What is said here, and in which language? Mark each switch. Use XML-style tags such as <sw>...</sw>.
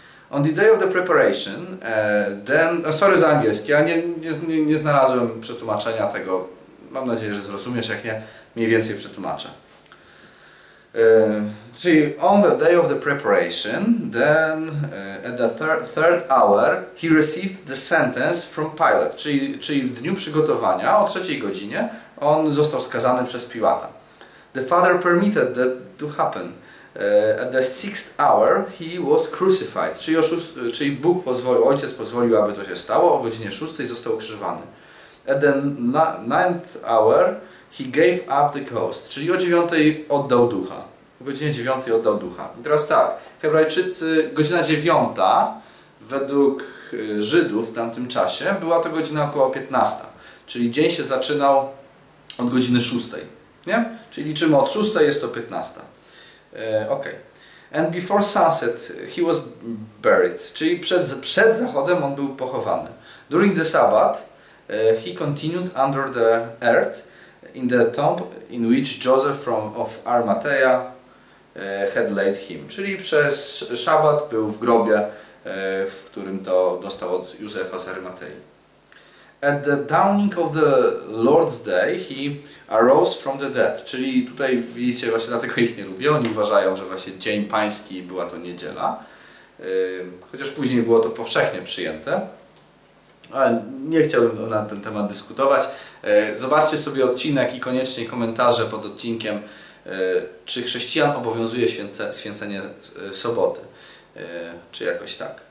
<en>On the day of the preparation,</en> <pl>sorry za angielski, ja nie znalazłem przetłumaczenia tego. Mam nadzieję, że zrozumiesz, jak nie, mniej więcej przetłumaczę. Czyli</pl> <en>on the day of the preparation, then at the third hour, he received the sentence from Pilate.</en> <pl>Czyli w dniu przygotowania, o trzeciej godzinie, on został skazany przez Piłata.</pl> <en>The father permitted that to happen. At the sixth hour, he was crucified.</en> <pl>Czyli Bóg pozwolił, ojciec pozwolił, aby to się stało, o godzinie szóstej został ukrzyżowany.</pl> <en>At the ninth hour, he gave up the ghost.</en> <pl>Czyli o dziewiątej oddał ducha. O godzinie dziewiątej oddał ducha. I teraz tak, Hebrajczycy, godzina dziewiąta według Żydów w tamtym czasie była to godzina około 15. Czyli dzień się zaczynał od godziny szóstej. Nie? Czyli liczymy od szóstej, jest to 15. Okej. Okay.</pl> <en>And before sunset he was buried.</en> <pl>Czyli przed zachodem on był pochowany.</pl> <en>During the Sabbath he continued under the earth in the tomb in which Joseph of Arimathea had laid him.</en> <pl>Czyli przez szabat był w grobie, w którym to dostał od Józefa z Arimatei.</pl> <en>At the dawning of the Lord's Day he arose from the dead.</en> <pl>Czyli tutaj widzicie, właśnie dlatego ich nie lubię. Oni uważają, że właśnie Dzień Pański była to niedziela. Chociaż później było to powszechnie przyjęte. Ale nie chciałbym na ten temat dyskutować. Zobaczcie sobie odcinek i koniecznie komentarze pod odcinkiem, czy chrześcijan obowiązuje święcenie soboty, czy jakoś tak.</pl>